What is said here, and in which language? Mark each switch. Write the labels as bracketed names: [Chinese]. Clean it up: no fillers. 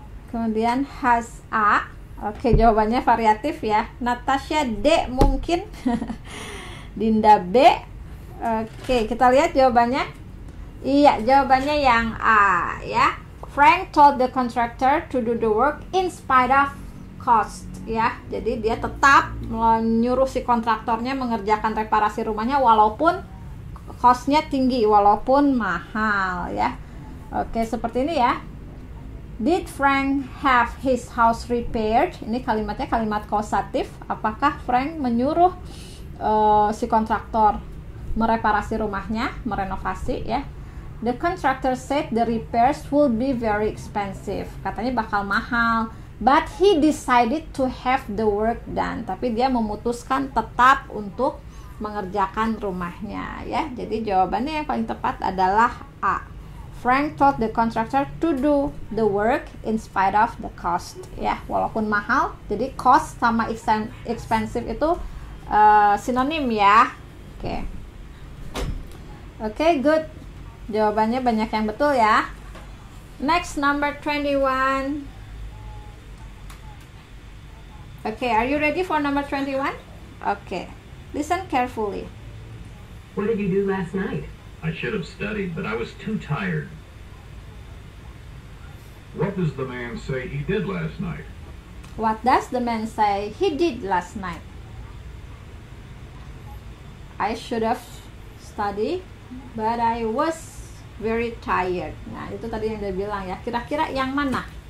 [Indonesian] Kemudian Has A. Oke, jawabannya variatif ya. Natasha D mungkin. Dinda B. Oke, kita lihat jawabannya. Iya, jawabannya yang A ya. [English] Frank told the contractor to do the work in spite of cost. [Indonesian] Ya, jadi dia tetap menyuruh si kontraktornya mengerjakan reparasi rumahnya walaupun cost-nya tinggi, walaupun mahal ya. Oke, seperti ini ya. [English] Did Frank have his house repaired? [Indonesian] Ini kalimatnya kalimat kausatif. Apakah Frank menyuruh si kontraktor mereparasi rumahnya, merenovasi ya? [English] The contractor said the repairs will be very expensive. [Indonesian] Katanya bakal mahal. [English] But he decided to have the work done. [Indonesian] Tapi dia memutuskan tetap untuk mengerjakan rumahnya, ya. Jadi jawabannya yang paling tepat adalah A. [English] Frank told the contractor to do the work in spite of the cost, ya. [Indonesian] Walaupun mahal, jadi cost sama expensive itu sinonim, ya. Oke. Oke, good. Jawabannya banyak yang betul, ya. [English] Next, number 21. Okay, are you ready for number 21? Okay, listen carefully. What did you do last night? I should have studied, but I was too tired. What does the man say he did last night? What does the man say he did last night? I should have studied, but I was very tired. [Indonesian] Nah, itu tadi yang dia bilang ya. Kira-kira yang mana?